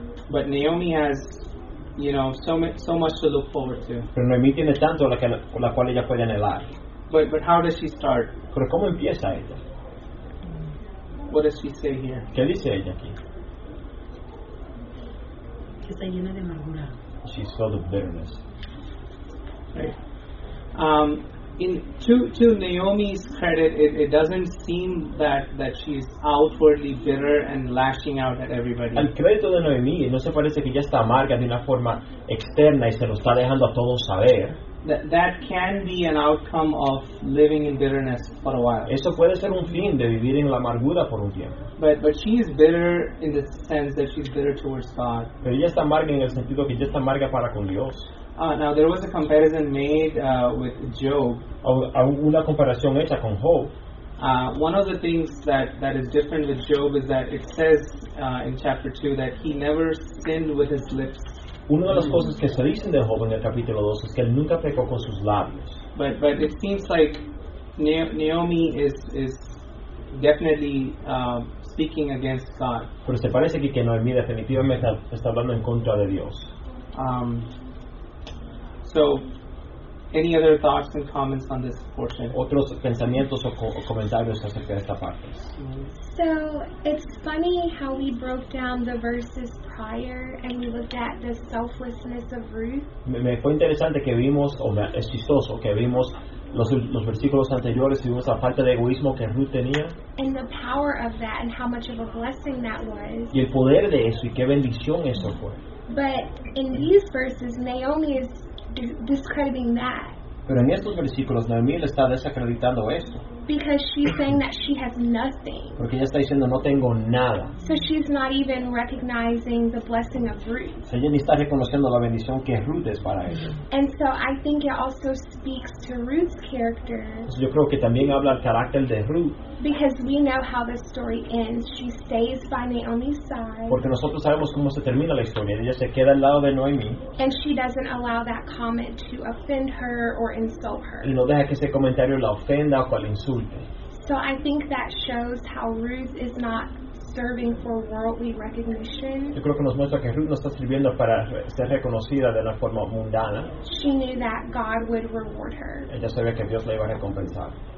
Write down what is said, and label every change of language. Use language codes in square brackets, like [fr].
[en] But Naomi has, you know, so much to look forward to. [es] Pero Naomi tiene tanto la cual ella puede anhelar. [en] But how does she start? [es] Pero ¿cómo empieza ella? [en] What does she say here? [es] ¿Qué dice ella aquí? Está llena de amargura. [en] She's filled with bitterness. Right. in to Naomi's credit, it doesn't seem that she's outwardly bitter and lashing out at everybody. [es] Al crédito de Noemí, no se parece que ella está amarga de una forma externa y se lo está dejando a todos saber. [en] That can be an outcome of living in bitterness for a while. [es] Eso puede ser un fin de vivir en la amargura por un tiempo. [en] But she is bitter in the sense that she's bitter towards God. [es] Pero ella está amarga en el sentido que ella está amarga para con Dios. [en] Now there was a comparison made with Job. [es] Una comparación hecha con Job. [en] One of the things that is different with Job is that it says in chapter 2 that he never sinned with his lips. [es] Una de las cosas que se dicen de Job en el capítulo 2 es que él nunca pecó con sus labios. [en] But it seems like Naomi is definitely speaking against God. [es] Pero se parece que Naomi definitivamente está hablando en contra de Dios. [en] So, any other thoughts and comments on this portion? [es] Otros pensamientos o comentarios acerca de esta parte. [en] So, it's funny how we broke down the verses prior and we looked at the selflessness of Ruth. [es] Me fue interesante que vimos, es chistoso, que vimos los versículos anteriores y vimos la falta de egoísmo que Ruth tenía. [en] And the power of that and how much of a blessing that was. [es] Y el poder de eso y qué bendición eso fue. [en] But in these verses, Naomi is discrediting that. [es] Pero en estos versículos Naomi le está desacreditando esto. [en] Because she's saying that she has nothing. [es] Porque ella está diciendo no tengo nada. [en] So she's not even recognizing the blessing of Ruth. [es] So ella ni está reconociendo la bendición que Ruth es para ella. [en] And so I think it also speaks to Ruth's character. [es] Entonces yo creo que también habla el carácter de Ruth. [en] Because we know how the story ends. She stays by Naomi's side. [es] Porque nosotros sabemos cómo se termina la historia. Ella se queda al lado de Noemi. [en] And she doesn't allow that comment to offend her or insult her. [es] Y no deja que ese comentario la ofenda o la insulte. [en] So I think that shows how Ruth is not serving for worldly recognition. [es] Yo creo que nos muestra que Ruth no está sirviendo para ser reconocida de la forma mundana. [en] She knew that God would reward her. [es] Ella sabía que Dios la iba a recompensar.